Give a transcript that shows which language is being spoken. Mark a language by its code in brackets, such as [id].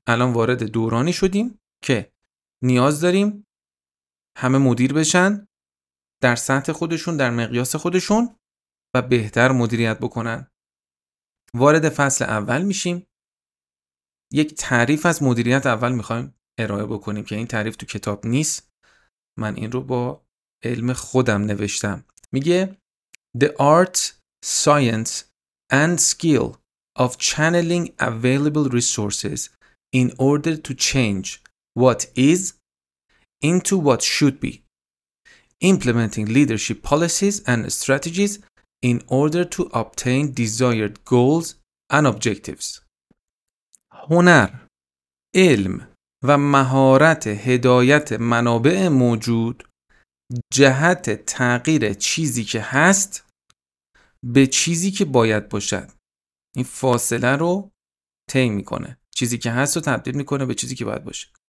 [fa] الان وارد دورانی شدیم که نیاز داریم همه مدیر بشن در سطح خودشون، در مقیاس خودشون و بهتر مدیریت بکنن. وارد فصل اول میشیم. یک تعریف از مدیریت اول میخوایم ارائه بکنیم که این تعریف تو کتاب نیست. من این رو با علم خودم نوشتم. [en] میگه The art, science and skill of channeling available resources in order to change what is into what should be. Implementing leadership policies and strategies in order to obtain desired goals and objectives. [fa] هنر، علم و مهارت هدایت منابع موجود جهت تغییر چیزی که هست به چیزی که باید باشد. این فاصله رو طی میکنه. چیزی که هست رو تبدیل میکنه به چیزی که باید باشه.